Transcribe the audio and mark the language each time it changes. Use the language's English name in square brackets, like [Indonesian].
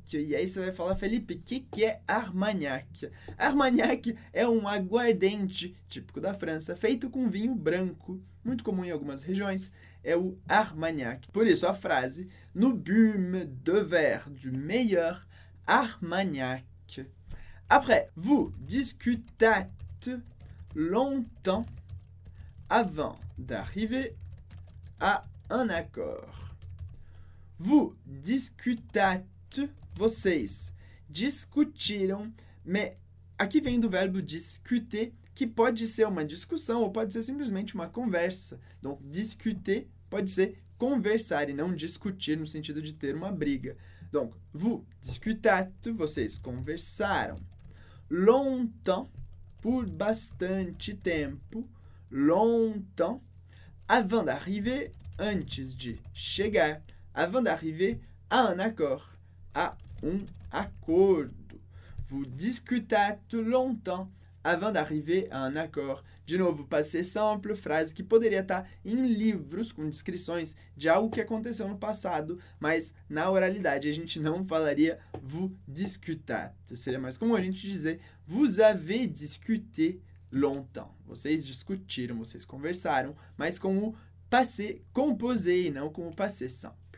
[Portuguese] E aí você vai falar, Felipe, o que, que é Armagnac? Armagnac é um aguardente típico da França, feito com vinho branco, muito comum em algumas regiões, é o Armagnac. Por isso, a frase, [French] nous bûmes deux verres du meilleur Armagnac. Après, vous discutâtes longtemps avant d'arriver à un accord. Vous discutâtes. [Portuguese] Vocês discutiram, mas aqui vem do verbo discuter, que pode ser uma discussão ou pode ser simplesmente uma conversa. Então, discuter pode ser conversar e não discutir no sentido de ter uma briga. Então, [French] vous discutâtes, [Portuguese] vocês conversaram. [French] Longtemps, [Portuguese] por bastante tempo, [French] longtemps, avant d'arriver, [Portuguese] antes de chegar, [French] avant d'arriver à un accord. [Portuguese] A um acordo. [French] Vous discutâtes longtemps avant d'arriver à un accord. [Portuguese] De novo, passé simple, frase que poderia estar em livros com descrições de algo que aconteceu no passado, mas na oralidade a gente não falaria [French] vous discutâtes. [Portuguese] Seria mais comum a gente dizer [French] vous avez discuté longtemps. [Portuguese] Vocês discutiram, vocês conversaram, mas com o passé composé e não com o passé simple.